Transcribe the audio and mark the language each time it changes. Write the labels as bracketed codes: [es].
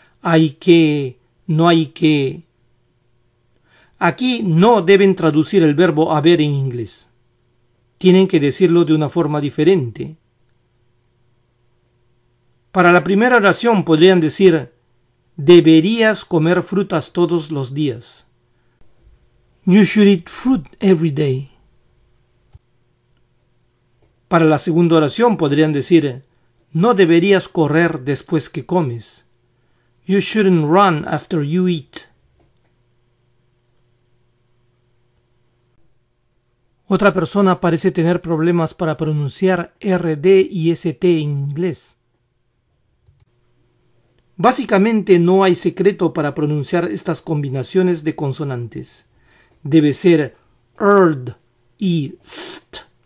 [es] Hay que, no hay que. Aquí no deben traducir el verbo haber en inglés. Tienen que decirlo de una forma diferente. Para la primera oración podrían decir deberías comer frutas todos los días. [en] You should eat fruit every day. [es] Para la segunda oración podrían decir no deberías correr después que comes. [en] You shouldn't run after you eat. [es] Otra persona parece tener problemas para pronunciar RD y ST en inglés. Básicamente no hay secreto para pronunciar estas combinaciones de consonantes. Debe ser erd y st.